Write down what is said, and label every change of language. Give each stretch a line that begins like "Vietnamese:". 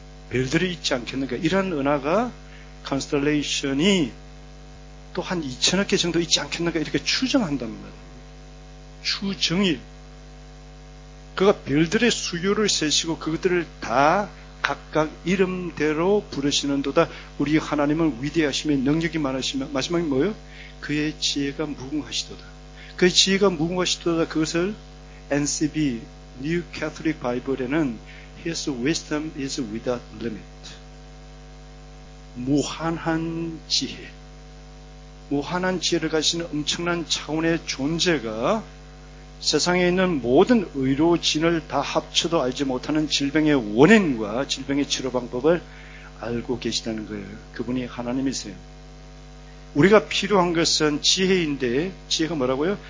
Korean: 별들이 있지 않겠는가. 이런 은하가 컨스텔레이션이 또 한 2천억 개 정도 있지 않겠는가 이렇게 추정한단 말이에요. 추정이. 그가 별들의 수요를 세시고 그것들을 다 각각 이름대로 부르시는 도다. 우리 하나님은 위대하시며 능력이 많으시며 마지막이 뭐예요? 그의 지혜가 무궁하시도다. 그의 지혜가 무궁하시도다. 그것을
English: NCB New Catholic Bible에는 His wisdom is without limit.
Korean: 무한한 지혜. 무한한 지혜를 가지시는 엄청난 차원의 존재가 세상에 있는 모든 의로 진을 다 합쳐도 알지 못하는 질병의 원인과 질병의 치료 방법을 알고 계시다는 거예요. 그분이 하나님이세요. 우리가 필요한 것은 지혜인데 지혜가 뭐라고요?